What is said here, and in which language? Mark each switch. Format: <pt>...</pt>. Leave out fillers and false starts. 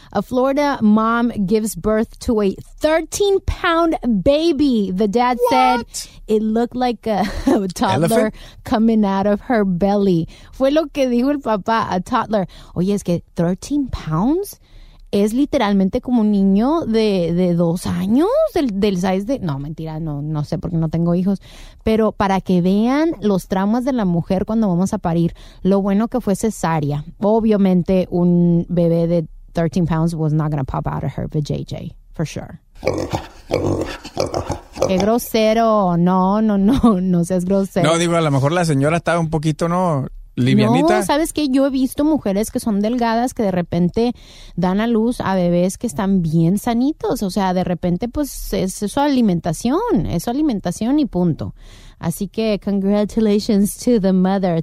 <en>A Florida mom gives birth to a 13-pound baby. The dad said it looked like a toddler elephant coming out of her belly.</en> <es>Fue lo que dijo el papá,</es> <en>a toddler.</en> <es>Oye, es que 13 pounds es literalmente como un niño de dos años, del size de... No, mentira, no sé porque no tengo hijos. Pero para que vean los traumas de la mujer cuando vamos a parir, lo bueno que fue cesárea. Obviamente, un bebé de</es> <en>13 pounds was not going to pop out of her vajayjay, for sure.</en> <es>¡Qué grosero! No seas grosero. No, digo, a lo mejor la señora estaba un poquito, ¿no? Livianita. No, ¿sabes qué? Yo he visto mujeres que son delgadas que de repente dan a luz a bebés que están bien sanitos. O sea, de repente, pues, es su alimentación y punto. Así que,</es> <en>congratulations to the mother.</en>